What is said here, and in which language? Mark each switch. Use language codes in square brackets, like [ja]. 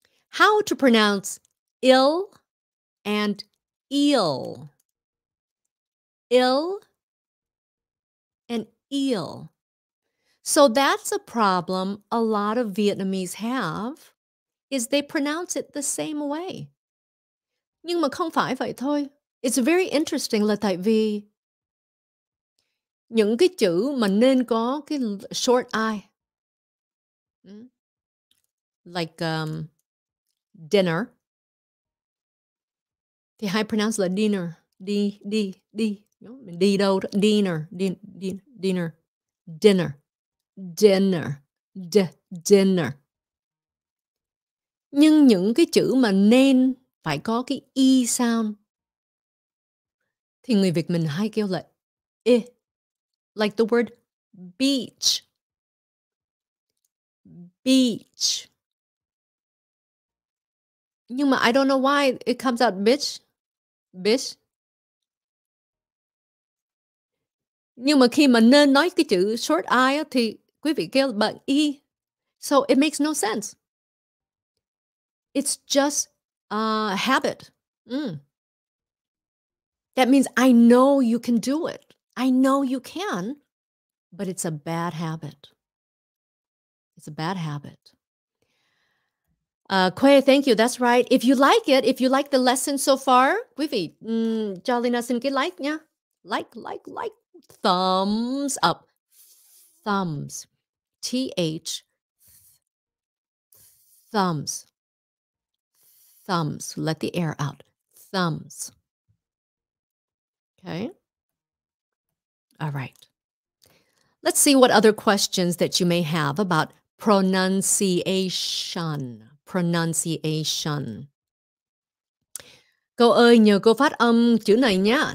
[en] How to pronounce ill and eel? Ill and eel. So that's a problem a lot of Vietnamese have. Is they pronounce it the same way. [vi] Nhưng mà không phải vậy thôi. [en] It's very interesting [vi] là tại vì những cái chữ mà nên có cái short I. [en] Like dinner. [vi] Thì hay pronounce là dinner. Đi, đi, đi. Mình đi đâu? [en] Dinner, dinner, dinner. Dinner, dinner. [vi] Nhưng những cái chữ mà nên phải có cái y sound thì người Việt mình hay kêu là e. [en] Like the word beach. Beach. [vi] Nhưng mà [en] I don't know why it comes out bitch. Bitch. [vi] Nhưng mà khi mà nên nói cái chữ short I thì quý vị kêu bằng y. [en] So it makes no sense. It's just a habit. That means I know you can do it. I know you can, but it's a bad habit. It's a bad habit. Quê, thank you. That's right. If you like it, if you like the lesson so far, [vi] quý vị, cho Lina xin cái like nha. [en] Like. Thumbs up. Thumbs. T-H. Thumbs. Thumbs. Let the air out. Thumbs. Okay. All right. Let's see what other questions that you may have about pronunciation. Pronunciation. [vi] Cô ơi, nhờ cô phát âm chữ này nhá.